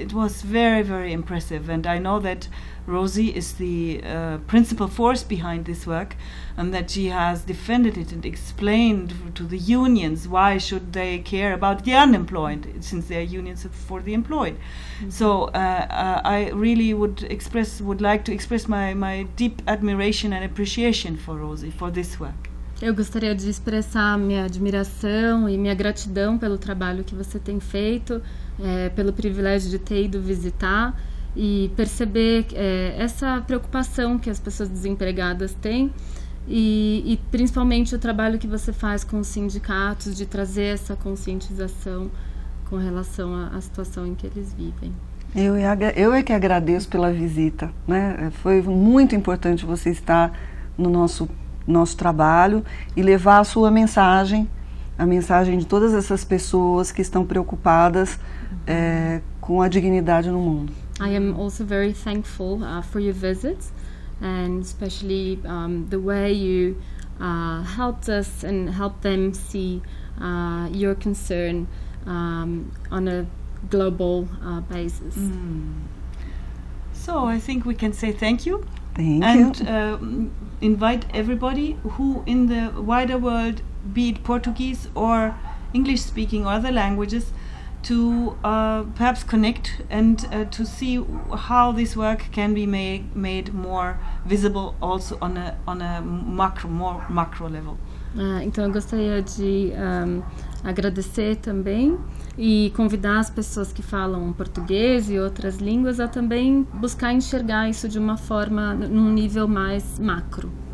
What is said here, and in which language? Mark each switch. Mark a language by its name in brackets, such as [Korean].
[English] It was very, very impressive. And I know that Rosie is the principal force behind this work, and that she has defended it and explained to the unions why should they care about the unemployed, since they are unions for the employed. Mm-hmm. So I really would like to express my deep admiration and appreciation for Rosie for this work. [Portuguese] Eu gostaria de expressar minha admiração e minha gratidão pelo trabalho que você tem feito, pelo privilégio de ter ido visitar e perceber essa preocupação que as pessoas desempregadas têm e principalmente o trabalho que você faz com os sindicatos de trazer essa conscientização com relação à situação em que eles vivem. Eu é que agradeço pela visita, né? Foi muito importante você estar no nosso trabalho e levar a sua mensagem, a mensagem de todas essas pessoas que estão preocupadas com a dignidade no mundo. [English] I am also very thankful for your visits and especially the way you helped us and helped them see your concern on a global basis. Mm. So I think we can say thank you. Thank you. And invite everybody who in the wider world, be it Portuguese or English speaking or other languages, to perhaps connect and to see how this work can be made more visible also on a more macro level. [Portuguese] Então eu gostaria de agradecer também e convidar as pessoas que falam português e outras línguas a também buscar enxergar isso de uma forma, num nível mais macro.